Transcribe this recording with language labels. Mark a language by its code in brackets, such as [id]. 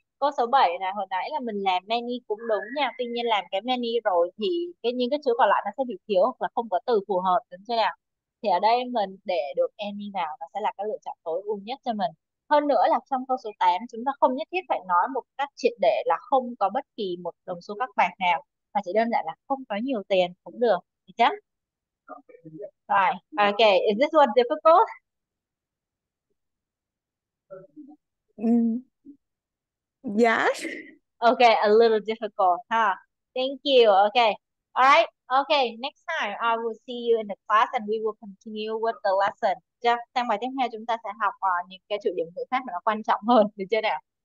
[vi] Câu số 7 này, hồi nãy là mình làm many cũng đúng nha. Tuy nhiên làm cái many rồi thì cái những cái chữ còn lại nó sẽ bị thiếu hoặc là không có từ phù hợp, đúng chưa nào? Thì ở đây mình để được any vào nó sẽ là cái lựa chọn tối ưu nhất cho mình. Hơn nữa là trong câu số 8 chúng ta không nhất thiết phải nói một cách triệt để là không có bất kỳ một đồng xu các bạn nào, mà chỉ đơn giản là không có nhiều tiền cũng được, được chứ? [en] Right. Ok, is this one Yes. difficult? Ok, a little difficult, ha. Huh? Thank you, ok. All right. Okay. Next time, I will see you in the class and we will continue with the lesson. [vi] Chắc trong bài tiếp theo chúng ta sẽ học những cái chủ điểm ngữ khác mà nó quan trọng hơn, được chưa nào?